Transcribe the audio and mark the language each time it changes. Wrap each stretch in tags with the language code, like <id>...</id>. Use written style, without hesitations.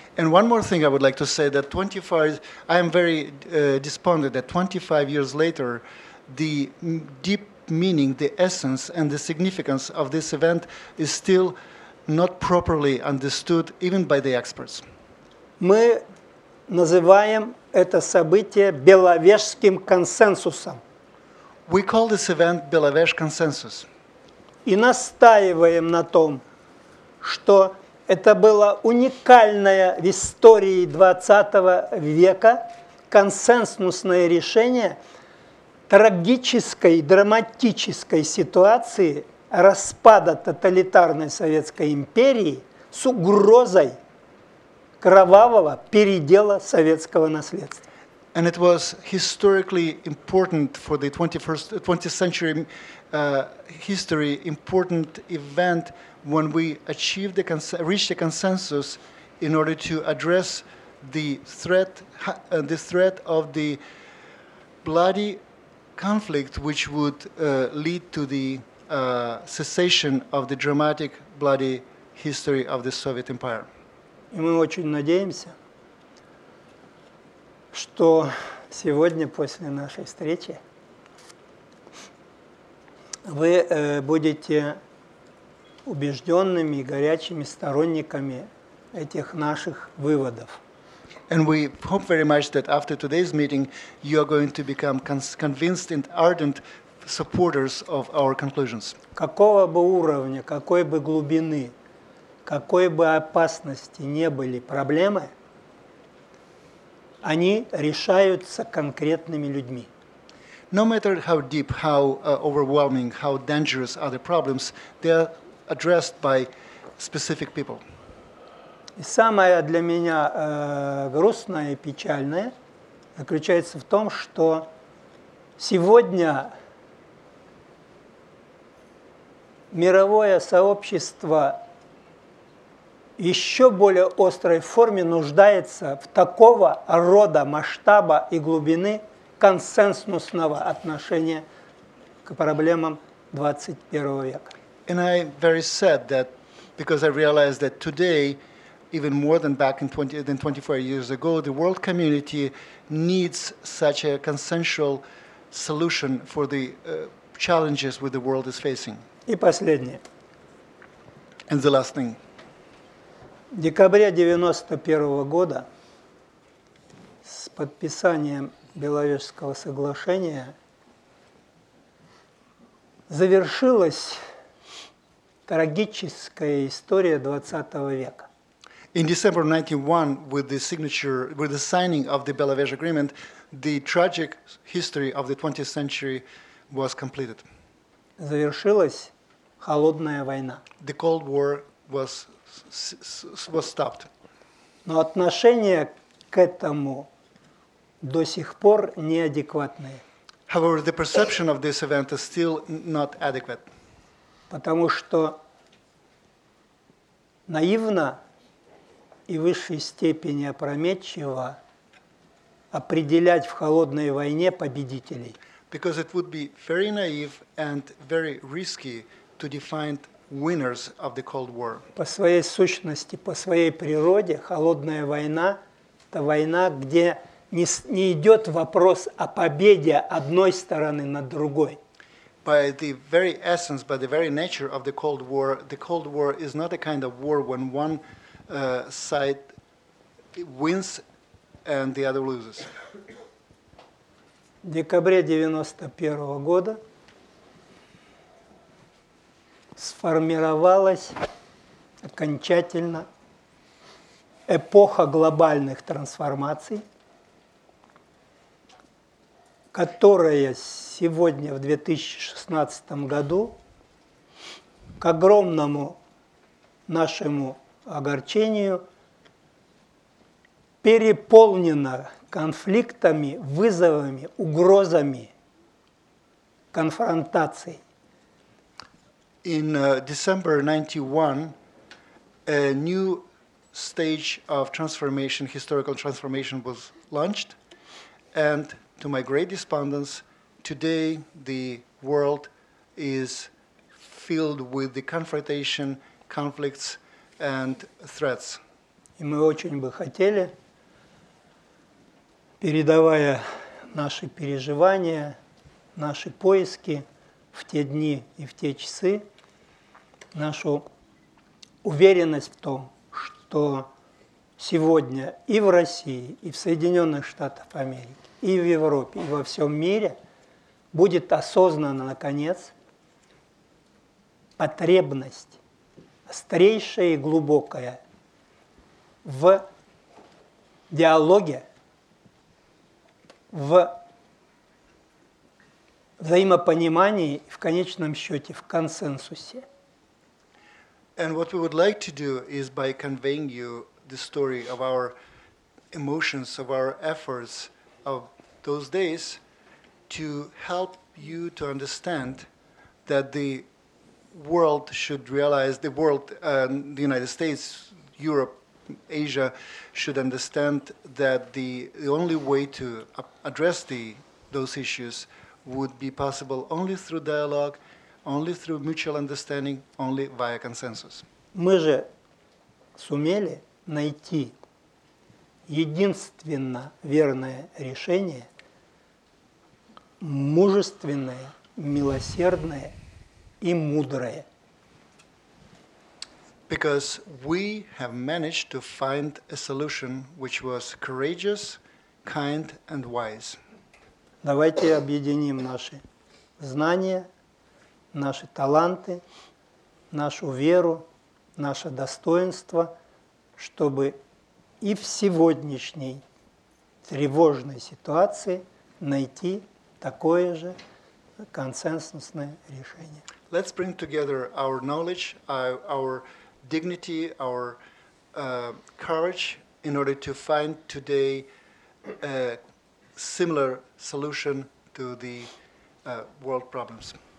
<en>And one more thing I would like to say, that 25, I am very despondent that 25 years later, the deep meaning, the essence and the significance of this event is still not properly understood even by the experts.</en> <ru>Мы называем это событие Беловежским консенсусом.</ru> <en>We call this event Belovezh consensus.</en> <ru>И настаиваем на том, что это было уникальное в истории 20 века консенсусное решение трагической, драматической ситуации распада тоталитарной Советской империи с угрозой кровавого передела советского наследства.</ru> <en>And it was historically important for the 20th century history, important event when we achieved reached a consensus in order to address the threat of the bloody conflict which would lead to the cessation of the dramatic bloody history of the Soviet Empire.</en> <ru>И мы очень надеемся, что Сегодня после нашей встречи вы будете убежденными и горячими сторонниками этих наших выводов.</ru> <en>And we hope very much that after today's meeting, you are going to become convinced and ardent supporters of our conclusions.</en> <ru>Какого бы уровня, какой бы глубины, какой бы опасности не были проблемы, они решаются конкретными людьми.</ru> <en>No matter how deep, how overwhelming, how dangerous are the problems, they are addressed by specific people.</en> <ru>И самое для меня грустное и печальное заключается в том, что сегодня мировое сообщество в еще более острой форме нуждается в такого рода масштаба и глубины консенсусного отношения к проблемам 21 века.</ru> <en>And I very sad that because I realized that today even more than back in 24 years ago, the world community needs such a consensual solution for the challenges which the world is facing.</en> <ru>И последнее.</ru> <en>And the last thing.</en> <ru>В декабре 91 года с подписанием Беловежского соглашения завершилась трагическая история 20 века.</ru> <en>In December 91, with the signature, with the signing of the Belovezh Agreement, the tragic history of the 20th century was completed.</en> <ru>Завершилась холодная война.</ru> <en>The Cold War was stopped.</en> <ru>Но отношения к этому до сих пор неадекватные.</ru> <en>However, the perception of this event is still not adequate.</en> <ru>Потому что наивно и в высшей степени опрометчиво определять в холодной войне победителей.</ru> <en>Because it would be very naive and very risky to define winners of the Cold War.</en> <ru>По своей сущности, по своей природе, холодная война – это война, где не идет вопрос о победе одной стороны над другой.</ru> <en>By the very essence, by the very nature of the Cold War is not a kind of war when one side wins and the other loses.</en> <ru>В декабре 91 года сформировалась окончательно эпоха глобальных трансформаций, которая сегодня в 2016 году к огромному нашему огорчению переполнена конфликтами, вызовами, угрозами, конфронтацией.</ru> <en>In December 91, a new stage of transformation, historical transformation was launched, and to my great despondence, today the world is filled with the confrontation, conflicts, and threats.</en> <ru>И мы очень бы хотели, передавая наши переживания, наши поиски в те дни и в те часы, нашу уверенность в том, что сегодня и в России, и в Соединенных Штатах Америки, и в Европе, и во всем мире будет осознана, наконец, потребность острейшая и глубокая в диалоге, в взаимопонимании и в конечном счете в консенсусе.</ru> <en>And what we would like to do is by conveying you the story of our emotions, of our efforts of those days to help you to understand that the world should realize, the world, the United States, Europe, Asia, should understand that the only way to address those issues would be possible only through dialogue, only through mutual understanding, only via consensus.</en> <ru>Мы же сумели найти единственно верное решение мужественное, милосердное и мудрое.</ru> <en>Because we have managed to find a solution which was courageous, kind and wise.</en> <ru>Давайте объединим наши знания, наши таланты, нашу веру, наше достоинство, чтобы и в сегодняшней тревожной ситуации найти такое же консенсусное решение.</ru> <en>Let's bring together our knowledge, our dignity, our courage in order to find today a similar solution to the world problems.</en>